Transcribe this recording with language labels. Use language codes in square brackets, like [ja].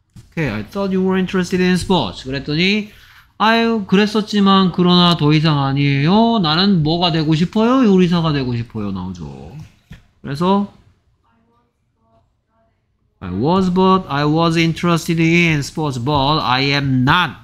[en] Okay, I thought you were interested in sports. [ko] 그랬더니 아유 그랬었지만 그러나 더 이상 아니에요. 나는 뭐가 되고 싶어요? 요리사가 되고 싶어요. 나오죠. 그래서 [en] I was interested in sports, but I am not.